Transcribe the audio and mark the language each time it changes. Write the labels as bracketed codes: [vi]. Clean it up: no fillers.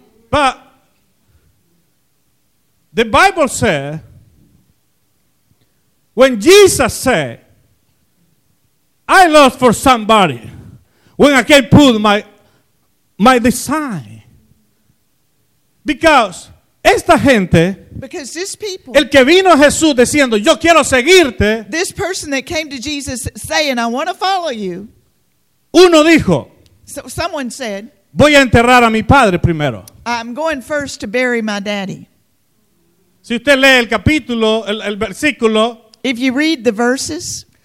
[en] But the Bible said, when Jesus said, I lost for somebody, when I can't put my design. Because [es] esta gente, [en] because this people, [es] el que vino Jesús diciendo, yo quiero seguirte, [en] this person that came to Jesus saying, I want to follow you, [es] uno dijo, [en] so someone said, [es] voy a enterrar a mi padre primero. [en] I'm going first to bury my daddy. [es] Si usted lee el capítulo, el versículo. [en] If you read the verses.